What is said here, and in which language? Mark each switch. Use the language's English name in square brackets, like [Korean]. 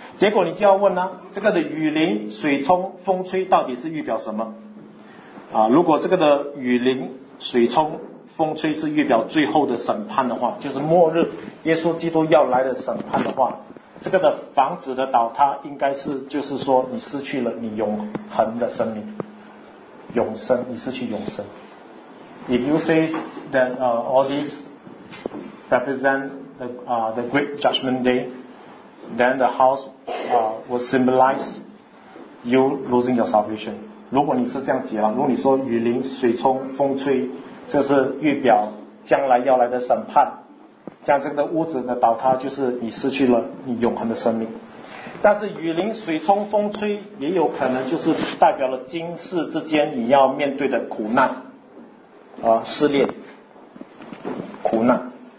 [Chinese] 结果你就要问了，这个的雨淋水冲风吹到底是预表什么如果这个的雨淋水冲风吹是预表最后的审判的话，就是末日耶稣基督要来的审判的话，这个的房子的倒塌应该是就是说你失去了你永恒的生命，永生，你失去永生。 [English] If you say that all these represent the great judgment day, then the house will symbolize you losing your salvation. [Chinese] 如果你是这样解了，如果你说雨淋、水冲、风吹，这是预表将来要来的审判，像这个屋子的倒塌就是你失去了你永恒的生命。但是雨淋、水冲、风吹也有可能就是代表了今世之间你要面对的苦难、失恋、苦难。